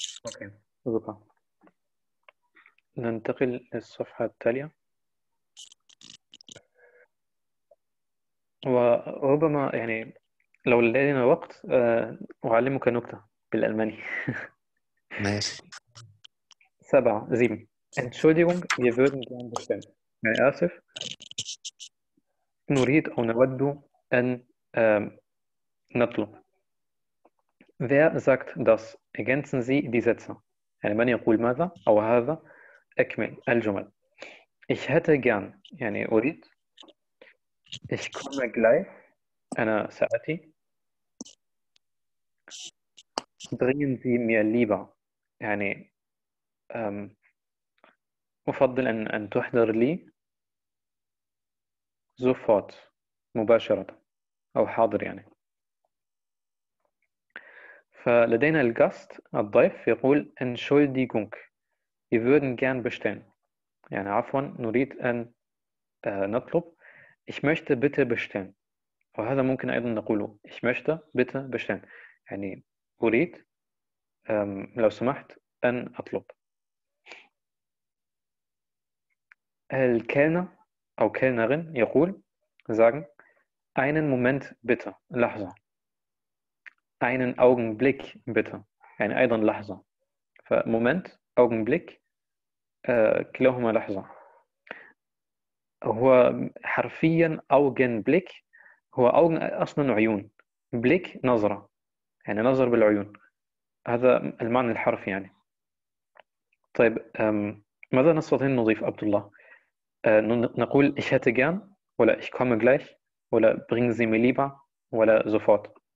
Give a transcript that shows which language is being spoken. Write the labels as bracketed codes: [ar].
[ar] Okay, super. ننتقل للصفحة التالية. وربما يعني لو لدينا وقت أعلمك نكتة بالألماني. ماشي. سبعة زيم. [de] Entschuldigung, wir würden gerne bestellen. [ar] يعني آسف. نريد أو نود أن نطلب. [de] Wer sagt das? Ergänzen Sie die Sätze. [ar] يعني من يقول ماذا أو هذا؟ أكمل الجمل. [de] Ich hätte gern. [ar] يعني أريد. [de] Ich komme gleich. [ar] أنا سأتي. [de] Bringen Sie mir lieber. [ar] يعني أفضل أن تحضر لي sofort مباشرة أو حاضر يعني. فلدينا الغاست الضيف يقول [de] Entschuldigung, wir würden gern bestellen. [ar] يعني عفوا نريد أن نطلب. [de] Ich möchte bitte bestellen. [ar] وهذا ممكن أيضا نقوله [de] Ich möchte bitte bestellen. [ar] يعني أريد لو سمحت أن أطلب. الكلنر أو كلنرين يقول [de] sagen einen Moment bitte, [ar] لحظة. [de] Einen Augenblick bitte, [ar] يعني أيضا لحظة. فمومنت أوجنبليك كلاهما لحظة. هو حرفيا أوجنبليك هو أوجن أصلا عيون. بليك نظرة يعني نظر بالعيون. هذا المعنى الحرفي يعني. طيب ماذا نستطيع نضيف عبد الله؟ نقول [de] ich hätte gern [ar] ولا [de] ich komme gleich [ar] ولا [de] bringen Sie mir lieber [ar] ولا sofort.